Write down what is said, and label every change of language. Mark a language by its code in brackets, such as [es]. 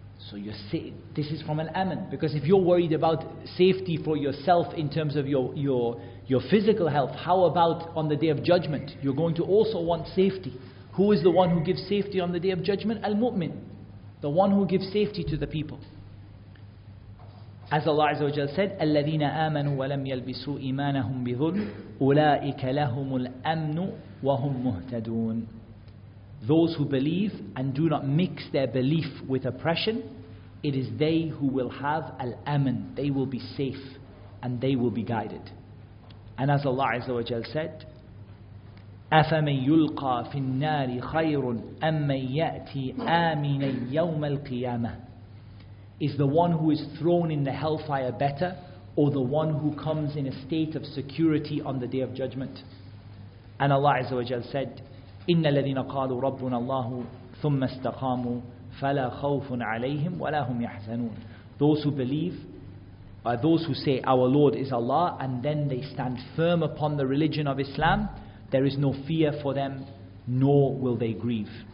[en] So you say this is from an aman, because if you're worried about safety for yourself in terms of your physical health, how about on the Day of Judgment? You're going to also want safety. Who is the one who gives safety on the Day of Judgment? Al-Mu'min, the one who gives safety to the people. As Allah Azza wa Jalla said, [ar] الَّذِينَ آمَنُوا وَلَمْ يَلْبِسُوا إِيمَانَهُمْ بِظُلْمٍ أُولَٰئِكَ لَهُمُ الْأَمْنُ وَهُمْ مُهْتَدُونَ. [en] Those who believe and do not mix their belief with oppression, it is they who will have al-aman. They will be safe and they will be guided. And as Allah Azza wa Jalla said, [ar] أَفَمَنْ يُلْقَى فِي النَّارِ خَيْرٌ أَمَّنْ يَأْتِي آمِنًا يَوْمَ الْقِيَامَةِ. [en] Is the one who is thrown in the hellfire better, or the one who comes in a state of security on the Day of Judgment? And Allah Azza wa Jalla said, [ar] إِنَّ الَّذِينَ قَالُوا رَبُّنَا اللَّهُ ثُمَّ اسْتَقَامُوا فَلَا خَوْفٌ عَلَيْهِمْ وَلَا هُمْ يَحْزَنُونَ. [en] Those who believe, those who say our Lord is Allah, and then they stand firm upon the religion of Islam, there is no fear for them, nor will they grieve.